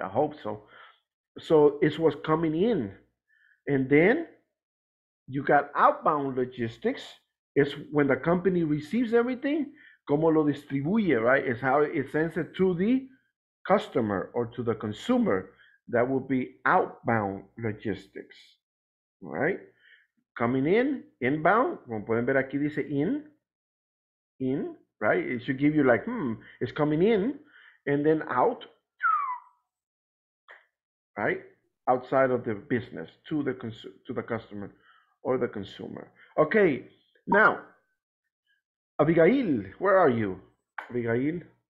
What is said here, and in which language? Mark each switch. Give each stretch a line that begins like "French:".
English: I hope so. So it's what's coming in. And then you got outbound logistics. It's when the company receives everything,
Spanish: como lo distribuye,
English: right? It's how it sends it to the customer or to the consumer. That would be outbound logistics, right? Coming in, inbound,
Spanish: como pueden ver aquí dice in, right?
English: It should give you like, it's coming in, and then out, right? Outside of the business to the customer or the consumer. Okay, now, Abigail, where are you? Abigail?